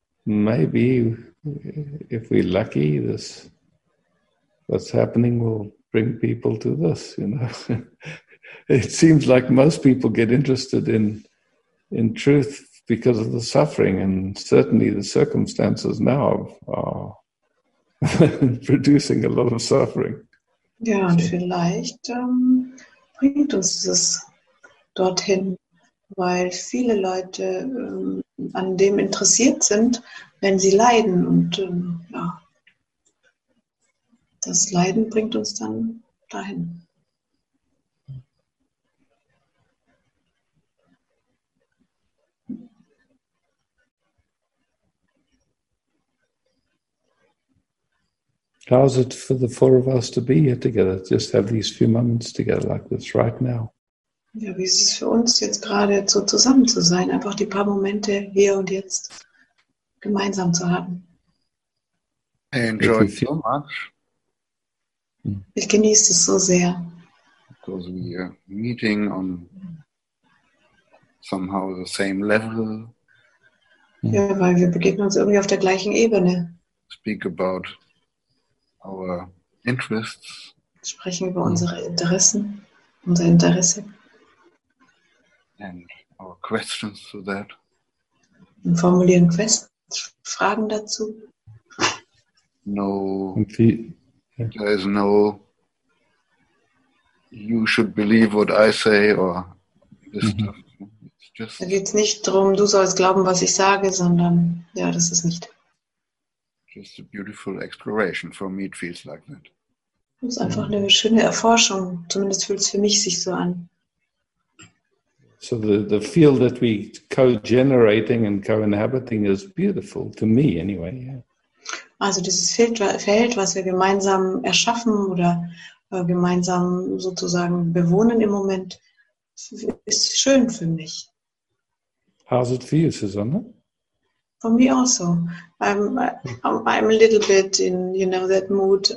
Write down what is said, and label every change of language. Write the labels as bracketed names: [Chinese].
[English] Maybe if we're lucky, this what's happening will bring people to this, you know. It seems like most people get interested in truth because of the suffering, and certainly the circumstances now are producing a lot of suffering. [German] Ja, und vielleicht bringt uns das dorthin, weil viele Leute an dem interessiert sind, wenn sie leiden. Und ja, das Leiden bringt uns dann dahin. [English] How is it for the four of us to be here together? Just have these few moments together like this right now. [German] Ja, wie ist es für uns jetzt gerade so zusammen zu sein, einfach die paar Momente hier und jetzt gemeinsam zu haben? [English] I enjoy it so much. [German] Ich genieße es so sehr. [English] Because we are meeting on somehow the same level. [German] Ja, weil wir begegnen uns irgendwie auf der gleichen Ebene. [English] Speak about our interests. [German] Sprechen über unsere Interessen, unser Interesse. [English] And our questions to that. [German] Und formulieren Fragen dazu. [English] No, there is no, you should believe what I say or this stuff. [German] Da geht es nicht darum, du sollst glauben, was ich sage, sondern ja, das ist nicht. [English] Just a beautiful exploration. For me it feels like that. [German] Das ist einfach eine schöne Erforschung. Zumindest fühlt es für mich sich so an. [English] So the field that we co-generating and co-inhabiting is beautiful to me anyway. Yeah. [German] Also dieses Feld, was wir gemeinsam erschaffen oder gemeinsam sozusagen bewohnen im Moment, ist schön für mich. [English] How's it feel, Susanne? For me also. I'm a little bit in, you know, that mood.